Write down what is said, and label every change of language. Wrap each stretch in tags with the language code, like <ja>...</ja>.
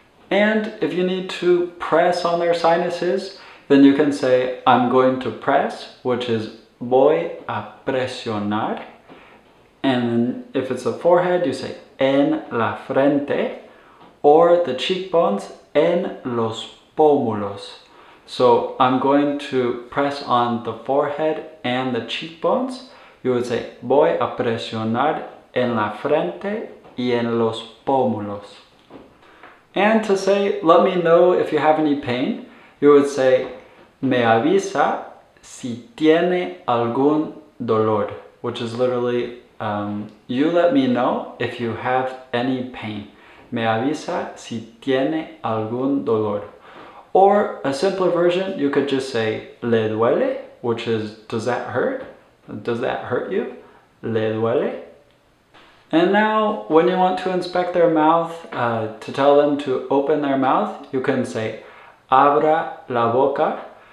<en>And if you need to press on their sinuses, then you can say I'm going to press, which is</en> <es>voy a presionar.</es> <en>And if it's the forehead, you say</en> <es>en la frente,</es> <en>or the cheekbones,</en> <es>en los pómulos.</es> <en>So I'm going to press on the forehead and the cheekbones. You would say</en> <es>voy a presionar en la frente y en los pómulos.</es> <en>And to say let me know if you have any pain, you would say</en> <es>me avisa si tiene algún dolor,</es> <en>which is literally you let me know if you have any pain.</en> <es>Me avisa si tiene algún dolor.</es> <en>Or a simpler version, you could just say</en> <es>le duele,</es> <en>which is does that hurt? Does that hurt you?</en> <es>Le duele.</es> <en>And now when you want to inspect their mouth, to tell them to open their mouth, you can say</en> <es>abra la boca.</es>